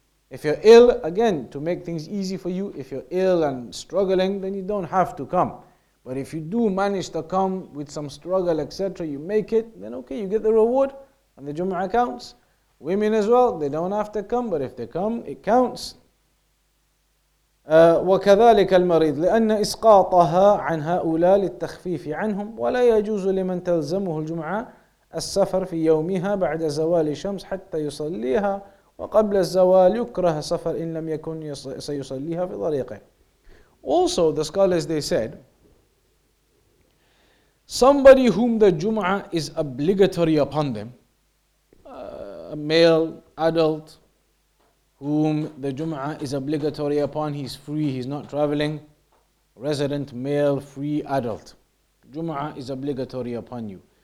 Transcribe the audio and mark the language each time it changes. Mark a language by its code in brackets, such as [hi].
[en] If you're ill, again, to make things easy for you, if you're ill and struggling, then you don't have to come. But if you do manage to come with some struggle, etc., you make it, then okay, you get the reward and the Jum'ah counts. Women as well, they don't have to come, but if they come, it counts. [ar] وكذلك المريض لأن إسقاطها عن هؤلاء للتخفيف عنهم ولا يجوز لمن تلزمه الجمعة السفر في يومها بعد زوال الشمس حتى يصليها وقبل الزوال يكره السفر إن لم يكن سيصليها في طريقه. [en] Also, the scholars, they said, somebody whom the Jum'ah is obligatory upon them, a male adult whom the Jum'ah is obligatory upon, he's free, he's not traveling, resident male, free adult, Jum'ah is obligatory upon you.